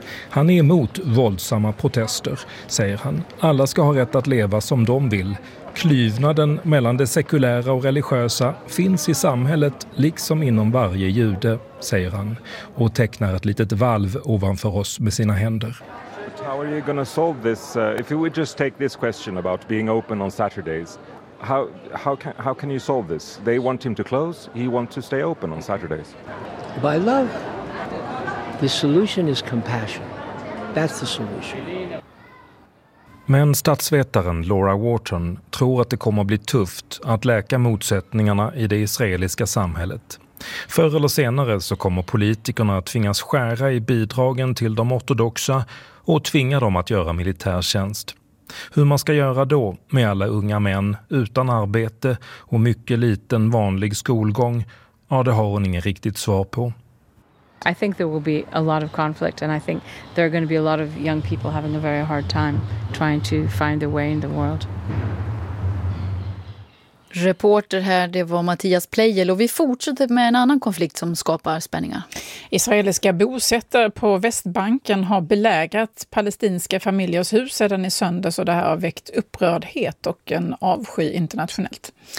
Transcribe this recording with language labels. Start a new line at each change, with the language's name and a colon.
Swedish: Han är emot våldsamma protester, säger han. Alla ska ha rätt att leva som de vill. Klyvnaden mellan det sekulära och religiösa finns i samhället liksom inom varje jude, säger han, och tecknar ett litet valv ovanför oss med sina händer.
English: How are you going to solve this if we just take this question about being open on Saturdays? How can you solve this? They want him to close, he wants to stay open on Saturdays. By love. The solution is compassion. That's the solution.
Swedish: Men statsvetaren Laura Wharton tror att det kommer att bli tufft att läka motsättningarna i det israeliska samhället. Förr eller senare så kommer politikerna att tvingas skära i bidragen till de ortodoxa och tvinga dem att göra militärtjänst. Hur man ska göra då med alla unga män utan arbete och mycket liten vanlig skolgång, ja, det har hon ingen riktigt svar på.
English: I think there will be a lot of conflict, and I think there are going to be a lot of young people having a very hard time trying to find their way in the world.
Swedish: Reporter här, det var Mattias Pleijel, och vi fortsätter med en annan konflikt som skapar spänningar. Israeliska bosättare på Västbanken har belägrat palestinska familjers hus sedan i söndags, och det här har väckt upprördhet och en avsky internationellt.